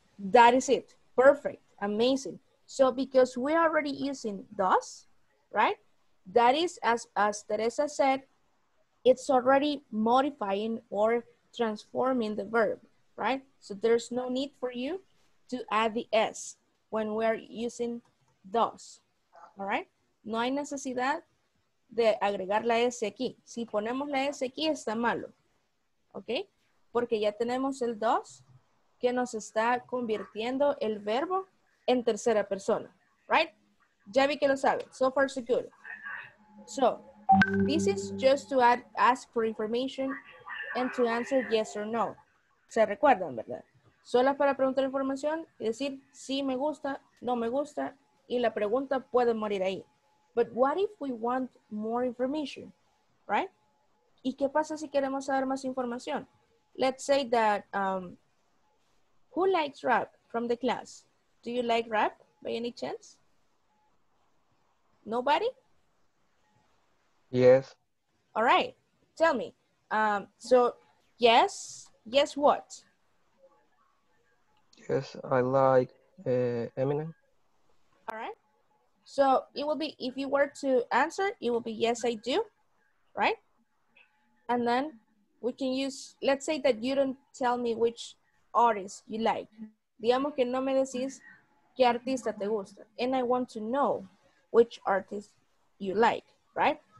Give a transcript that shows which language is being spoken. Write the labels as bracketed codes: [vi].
[en] That is it. Perfect. Amazing. So because we're already using does, right? That is, as Teresa said, it's already modifying or transforming the verb, right? So there's no need for you to add the S when we're using does, all right? [es] No hay necesidad de agregar la S aquí. Si ponemos la S aquí, está malo. Okay, porque ya tenemos el does que nos está convirtiendo el verbo en tercera persona, right? Ya vi que lo sabe. [en] So far, so good. So, this is just to ask for information and to answer yes or no. [es] Se recuerdan, ¿verdad? Solo para preguntar información y decir sí me gusta, no me gusta, y la pregunta puede morir ahí. [en] But what if we want more information, right? [es] ¿Y qué pasa si queremos saber más información? [en] Let's say that, who likes rap from the class? Do you like rap by any chance? Nobody? Yes. All right. Tell me. So, yes. Yes, what? Yes, I like Eminem. All right. So, it will be, if you were to answer, it will be yes, I do. Right? And then we can use, let's say that you don't tell me which artist you like. [es] Digamos que no me decís qué artista te gusta. [en] And I want to know which artist you like, right?